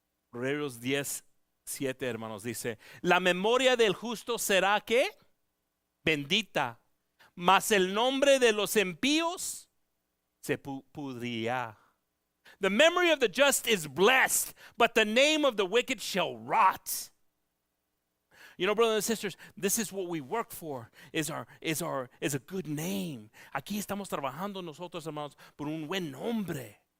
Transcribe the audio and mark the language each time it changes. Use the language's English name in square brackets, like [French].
[Spanish] Proverbios 10:7, hermanos, dice, la memoria del justo será, ¿qué? Bendita. Mas el nombre de los impíos se pudrirá. [English] The memory of the just is blessed, but the name of the wicked shall rot. You know, brothers and sisters, this is what we work for, is a good name. [Spanish] Aquí estamos trabajando nosotros, hermanos, por un buen nombre.